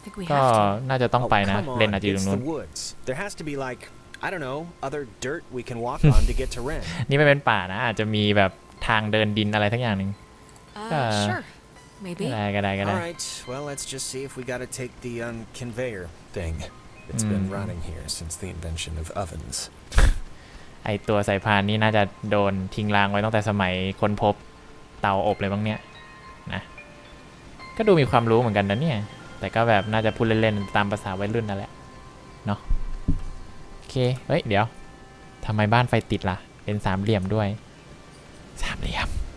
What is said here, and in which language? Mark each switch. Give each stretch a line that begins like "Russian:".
Thai: ก็น่าจะต้องไปนะเรนอาจจะอยู่ตรงนู้ น
English: There has to be like I don't know other dirt we can walk on to get to Ren
Thai: นี่ไม่เป็นป่านะอาจจะมีแบบทางเดินดินอะไรทั้งอย่างนึง
English: Sure maybe
Thai: ได้ก็ได้
English: All right well let's just see if we gotta take the conveyor thing it's been running here since the invention of ovens
Thai: ไอตัวสายพานนี่น่าจะโดนทิ้งรางไว้ตั้งแต่สมัยค้นพบเตาอบเลยบ้างเนี่ยนะก็ดูมีความรู้เหมือนกันนะเนี่ยแต่ก็แบบน่าจะพูดเล่นๆตามภาษาวัยรุ่นนั่นแหละเนาะโอเคเฮ้ยเดี๋ยวทำไมบ้านไฟติดล่ะเป็นสามเหลี่ยมด้วยสามเหลี่ยม